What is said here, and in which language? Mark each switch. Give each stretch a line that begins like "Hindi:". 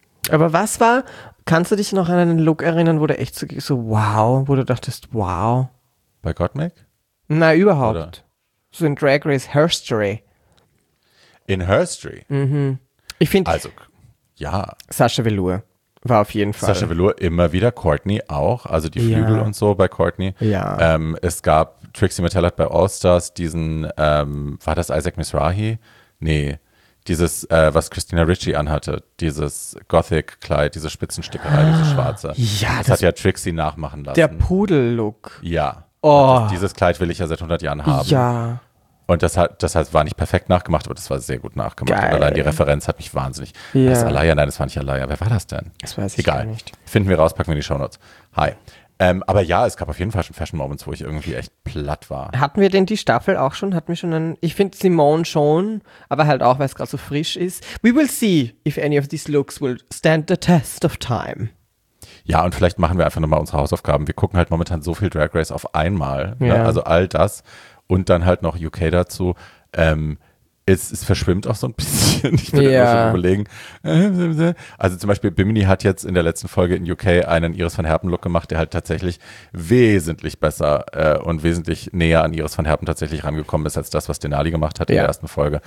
German: Aber was war, kannst du dich noch an einen Look erinnern, wo du echt so wow, wo du dachtest, wow. Bei Gottmik? Na, überhaupt. Oder? So in Drag Race Herstory. In Herstory? Mhm. Ich finde, also, ja. Sasha Velour war auf jeden Fall. Sasha Velour immer wieder, Courtney auch, also die Flügel und so bei Courtney. Ja. Es gab, Trixie Mattel hat bei All Stars diesen, war das Isaac Mizrahi? Nee, dieses, was Christina Ricci anhatte, dieses Gothic-Kleid, diese Spitzenstickerei, diese schwarze. Ja, das hat ja Trixie nachmachen lassen. Der Pudel-Look. Ja. Oh. Dieses Kleid will ich ja seit 100 Jahren haben. Ja. Und das war nicht perfekt nachgemacht, aber das war sehr gut nachgemacht. Geil. Und allein die Referenz hat mich wahnsinnig. Ja. Das war nicht Alaya. Wer war das denn? Das weiß ich gar nicht. Finden wir raus, packen wir in die Shownotes. Hi. Aber ja, es gab auf jeden Fall schon Fashion Moments, wo ich irgendwie echt platt war. Hatten wir denn die Staffel auch schon? Hatten wir schon einen? Ich finde Simone schon, aber halt auch, weil es gerade so frisch ist.
English: We will see if any of these looks will stand the test of time.
German: Ja, und vielleicht machen wir einfach nochmal unsere Hausaufgaben. Wir gucken halt momentan so viel Drag Race auf einmal. Ja. Ne? Also all das und dann halt noch UK dazu. Es verschwimmt auch so ein bisschen. Ich bin immer schon überlegen. Also zum Beispiel Bimini hat jetzt in der letzten Folge in UK einen Iris van Herpen Look gemacht, der halt tatsächlich wesentlich besser und wesentlich näher an Iris van Herpen tatsächlich rangekommen ist, als das, was Denali gemacht hat in der ersten Folge.